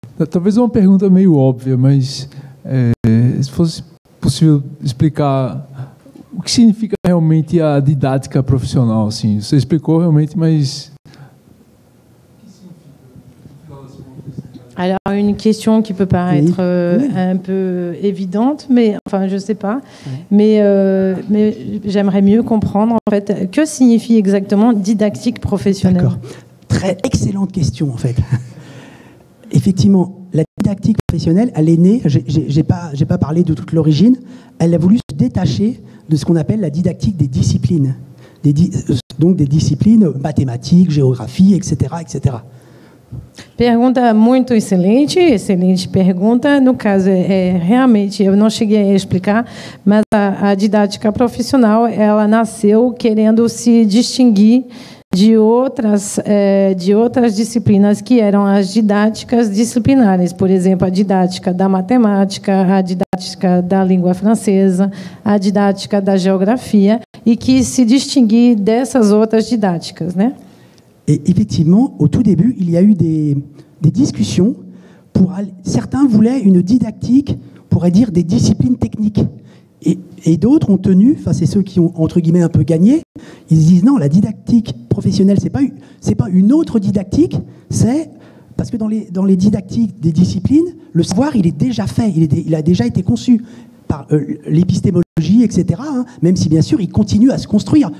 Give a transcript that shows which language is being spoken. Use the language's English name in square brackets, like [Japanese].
[Portuguese] Talvez uma pergunta meio óbvia, mas... se fosse possível explicar o que significa realmente a didática profissional, assim, você explicou realmente, mas... [French] Alors, une question qui peut paraître un peu évidente, mais enfin, je ne sais pas, mais j'aimerais mieux comprendre, en fait, que signifie exactement didactique professionnelle. D'accord. Très excellente question, en fait. Effectivement, la didactique professionnelle, elle est née, j'ai pas parlé de toute l'origine, elle a voulu se détacher de ce qu'on appelle la didactique des disciplines. Donc des disciplines mathématiques, géographie, etc., etc. [Portuguese] Pergunta muito excelente, excelente pergunta. No caso, realmente, eu não cheguei a explicar, mas a didática profissional, ela nasceu querendo se distinguir de outras disciplinas que eram as didáticas disciplinares, por exemplo, a didática da matemática, a didática da língua francesa, a didática da geografia, e que se distinguir dessas outras didáticas, né? [French] Et effectivement, au tout début, il y a eu des discussions. Certains voulaient une didactique, pourrait dire des disciplines techniques. Et d'autres ont tenu, enfin c'est ceux qui ont entre guillemets un peu gagné, ils disent non, la didactique professionnelle, c'est pas une autre didactique, c'est parce que dans les didactiques des disciplines, le savoir, il est déjà fait, il a déjà été conçu par l'épistémologie, etc., hein, même si bien sûr, il continue à se construire.